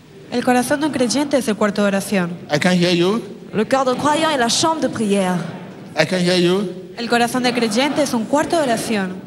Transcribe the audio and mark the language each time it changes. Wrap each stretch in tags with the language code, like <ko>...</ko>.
<es>El corazón de un creyente es el cuarto de oración.</es> <en>I can hear you.</en> <fr>Le cœur d'un croyant est la chambre de prière.</fr> <en>I can hear you.</en> <es>El corazón del creyente es un cuarto de oración.</es>